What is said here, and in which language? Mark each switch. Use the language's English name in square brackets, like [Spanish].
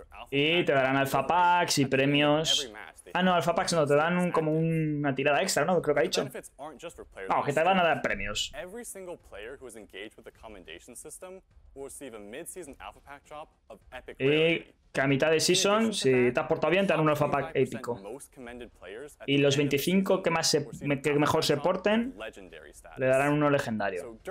[Spanish] Y te darán alpha packs y premios. Ah, no, alpha packs no, te dan un, como una tirada extra, ¿no? Creo que ha dicho. No, que te van a dar premios. [English] Every single player who is engaged with the commendation system will receive a mid-season alpha pack drop of epic rarity. [Spanish] Y que a mitad de season, si te has portado bien, te dan un alpha pack épico. Y los 25 que, más se, que mejor se porten, le darán uno legendario.